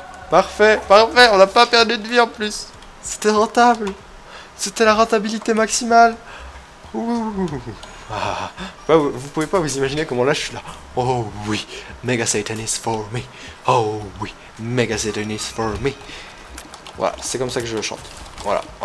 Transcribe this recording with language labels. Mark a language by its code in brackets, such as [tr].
[fr] Parfait, on n'a pas perdu de vie en plus. C'était rentable. C'était la rentabilité maximale. Ouh. Ah, vous pouvez pas vous imaginer comment là je suis là. Oh oui, [en] Mega Satan is for me. Oh oui, Mega Satan is for me. [fr] Voilà, c'est comme ça que je chante. Voilà.